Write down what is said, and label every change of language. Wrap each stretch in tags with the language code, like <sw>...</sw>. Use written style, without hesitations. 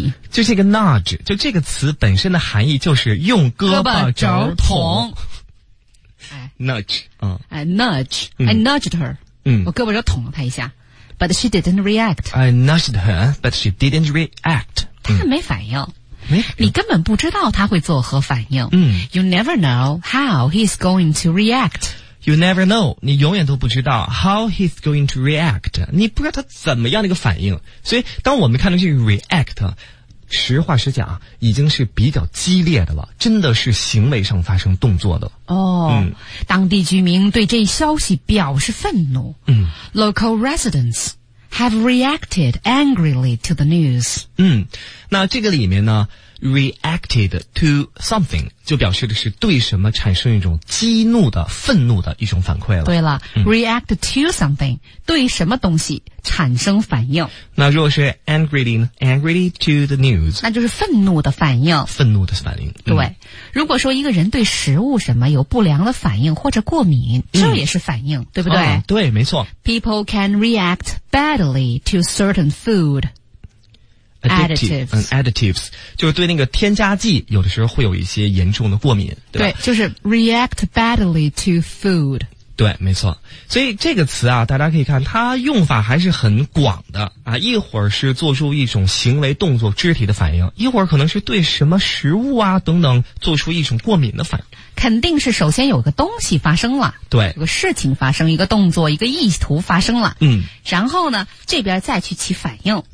<zh>就这个 nudge， 就这个词本身的含义就是用胳膊肘捅。</zh> <en>nudge、 I nudged her、我胳膊肘捅了她一下， but she didn't react。 I nudged her but she didn't react。</en> <zh>她没反应，你根本不知道他会作何反应。</zh> <en>You never know how he's going to react.</en> <zh>You never know，你永远都不知道 how he's going to react，你不知道他怎么样的一个反应。所以当我们看到这个 react， 实话实讲已经是比较激烈的了，真的是行为上发生动作的。当地居民对这消息表示愤怒。</zh> <en>Local residentshave reacted angrily to the news。</en> <zh>那这个里面呢， reacted to something 就表示的是对什么产生一种激怒的愤怒的一种反馈了。对了、 react to something，对什么东西产生反应。</zh> <en>那如果是 angrily， angrily to the news，</en> <zh>那就是愤怒的反应，愤怒的反应、对。如果说一个人对食物什么有不良的反应或者过敏、这也是反应，对不对、对，没错。</zh> <en>People can react badly to certain food</en> <zh>additives、additives 就是对那个添加剂有的时候会有一些严重的过敏，对，就是 react badly to food。对，没错。所以这个词啊，大家可以看它用法还是很广的啊，一会儿是做出一种行为动作肢体的反应，一会儿可能是对什么食物啊等等做出一种过敏的反应。肯定是首先有个东西发生了，对，有个事情发生，一个动作，一个意图发生了，然后呢这边再去起反应，</zh>